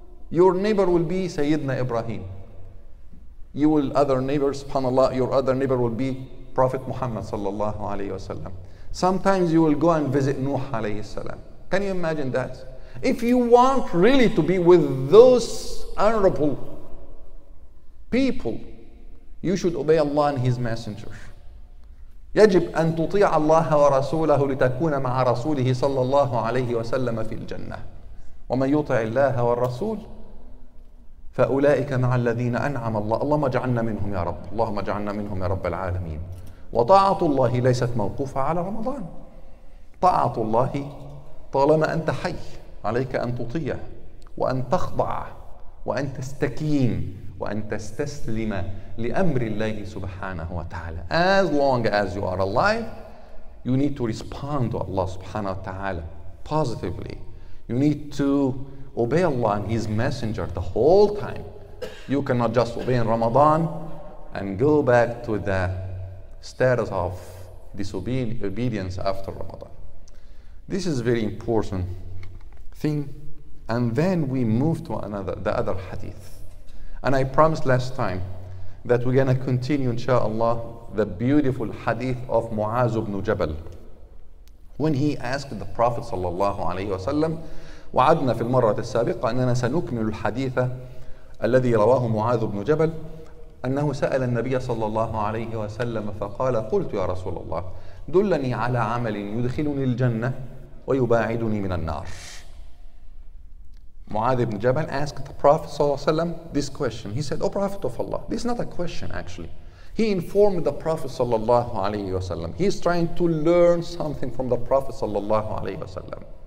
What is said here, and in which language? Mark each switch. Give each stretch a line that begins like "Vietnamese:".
English: Your neighbor will be Sayyidina Ibrahim. Your other neighbor will be Prophet Muhammad sallallahu alayhi wasallam. Sometimes you will go and visit Nuh alayhi salam. Can you imagine that? If you want really to be with those honorable people, you should obey Allah and His Messenger.
Arabic: يجب أن تطيع الله ورسوله لتكون مع رسوله صلى الله عليه وسلم في الجنة. ومن يطع الله والرسول فأولئك مع الذين أنعم الله. اللهم اجعلنا منهم يا رب، اللهم اجعلنا منهم يا رب العالمين. وطاعة الله ليست موقوفة على رمضان. طاعة الله طالما أنت حي عليك أن تطيع وأن تخضع وأن تستكين وأن تستسلم لأمر الله سبحانه وتعالى.
English: As long as you are alive, you need to respond to Allah
Arabic: سبحانه وتعالى
English: positively. You need to obey Allah and His Messenger the whole time. You cannot just obey in Ramadan and go back to the status of disobedience after Ramadan. This is a very important thing. And then we move to the other hadith. And I promised last time that we're going to continue, inshallah, the beautiful hadith of Mu'az ibn Jabal. When he asked the Prophet sallallahu alayhi wa sallam,
Arabic: وعدنا في المرة السابقة أننا سنكمل الحديث الذي رواه Mu'az ibn Jabal, أنه سأل النبي صلى الله عليه وسلم فقال: قلت يا رسول الله، دلني على عمل يدخلني الجنة ويباعدني من النار.
English: Mu'adh ibn Jabal asked the Prophet ﷺ this question. He said, O Prophet of Allah, this is not a question actually. He informed the Prophet ﷺ. He is trying to learn something from the Prophet ﷺ.